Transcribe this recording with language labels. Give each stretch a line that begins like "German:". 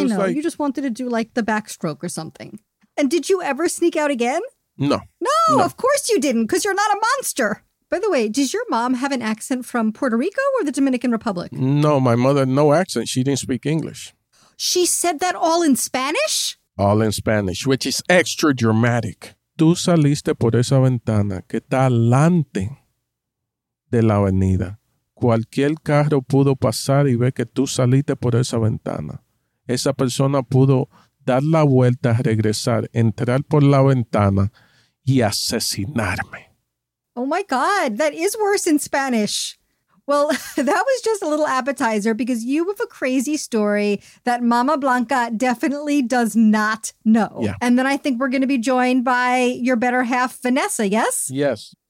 English: just, I know. Like, you just wanted to do, like, the backstroke or something. And did you ever sneak out again? No. No, no. Of course you didn't, because you're not a monster. By the way, does your mom have an accent from Puerto Rico or the Dominican Republic? No, my mother, no accent. She didn't speak English. She said that all in Spanish? All in Spanish, which is extra dramatic.
Spanish: Tú saliste por esa ventana que está delante de la avenida. Cualquier carro pudo pasar y ver que tú saliste por esa ventana. Esa persona pudo dar la vuelta, regresar, entrar por la ventana y asesinarme.
English: Oh, my God. That is worse in Spanish. Well, that was just a little appetizer because you have a crazy story that Mama Blanca definitely does not know. Yeah. And then I think we're going to be joined by your better half, Vanessa, yes? Yes.